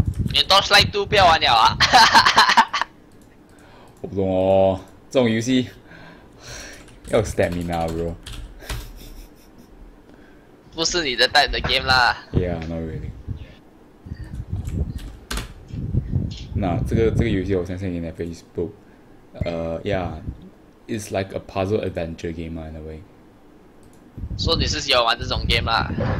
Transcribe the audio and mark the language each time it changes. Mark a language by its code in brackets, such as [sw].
[zh] 你 Torchlight 2不要玩了啊！我不懂哦，这种游戏要 stamina 啊 bro。不是你的 type 的 game 啦。 [en] Yeah, not really。 [zh] 那这个游戏我相信你在 [en] Facebook， yeah， it's like a puzzle adventure game in a way。 [zh] 说你是喜欢玩这种 game 啦？